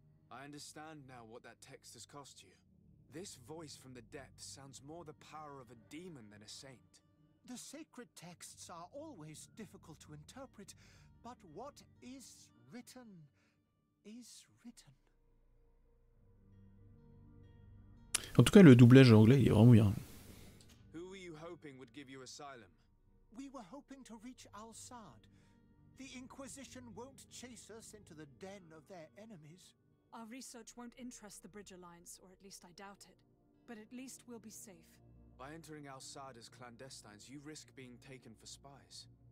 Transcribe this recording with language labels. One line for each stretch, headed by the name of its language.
English: I understand now what that text has cost you. This voice from the depths sounds more the power of a demon than a saint. The sacred texts are always difficult to interpret, but what is written is written.
French: En tout cas, le doublage anglais est vraiment bien.
English: Who were you hoping would give you asylum? We were hoping to reach Al-Sad. The Inquisition won't chase us into the den of their enemies. Our research won't interest the Bridge Alliance, or at least I doubt it. But at least we'll be safe. By entering Al-Sad as clandestines, you risk being taken for spies.